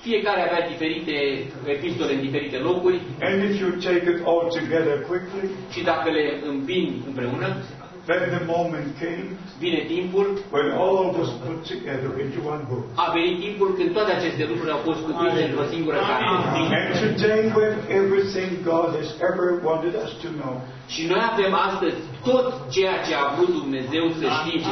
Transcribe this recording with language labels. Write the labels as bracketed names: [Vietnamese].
[Romanian] Fiecare avea diferite epistole în diferite locuri. [English] And if you take it all together quickly, [Romanian] și dacă le împin împreună, [English] then the moment came, [Romanian] vine timpul [English] when all was put together into one book. [Romanian] A venit timpul când toate aceste lucruri au fost cuprinse într-o singură carte. [English] And today we have everything God has ever wanted us to know. [Romanian] Și noi avem astăzi tot ceea ce a avut Dumnezeu să știe.